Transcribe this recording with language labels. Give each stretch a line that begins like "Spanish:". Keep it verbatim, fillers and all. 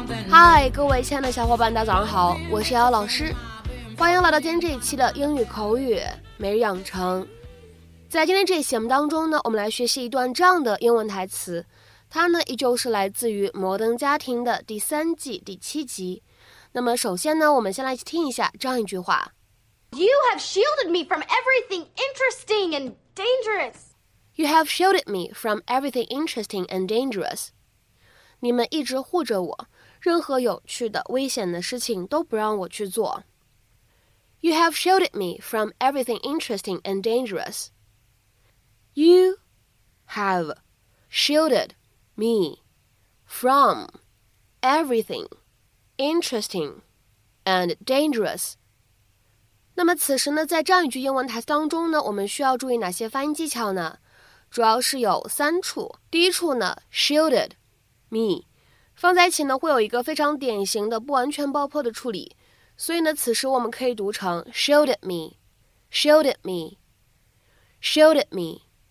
Chinese: 嗨，各位亲爱的小伙伴，大家早上好，我是瑶瑶老师，欢迎来到今天这一期的英语口语每日养成。在今天这一期节目当中呢，我们来学习一段这样的英文台词，它呢依旧是来自于摩登家庭的第三季第七集。那么首先呢，我们先来听一下这样一句话。
English: You have shielded me from everything interesting and dangerous. You have shielded me from everything interesting and dangerous.
Chinese: 你们一直护着我，任何有趣的、危险的事情都不让我去做。
English: You have shielded me from everything interesting and dangerous. You have shielded me from everything interesting and dangerous.
Chinese: 那么此时呢，在这样一句英文台词当中呢，我们需要注意哪些发音技巧呢？主要是有三处。第一处呢 ，shielded me 放在一起呢，会有一个非常典型的不完全爆破的处理，所以呢，此时我们可以读成
English: shielded me, shielded me, shielded me。